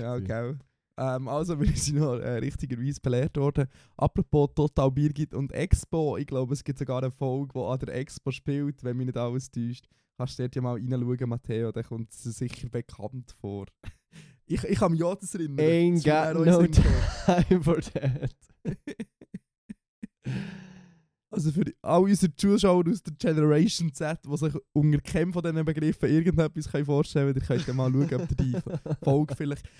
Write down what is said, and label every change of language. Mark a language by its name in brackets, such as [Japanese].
[German] Ja, genau. Also, wir sind noch richtigerweise belehrt worden. Apropos Total Birgit und Expo. Ich glaube, es gibt sogar eine Folge, die an der Expo spielt, wenn mich nicht alles täuscht. Kannst du dir ja mal reinschauen, Matteo, dann kommt es sicher bekannt vor. Ich habe mich auch das erinnern. [English] Ain't got no time for that. [German] Also für all unsere Zuschauer aus der Generation Z, die sich unter Kämpfen von diesen Begriffen irgendetwas vorstellen können, ihr könnt dann mal schauen, ob ihr die Folge vielleicht...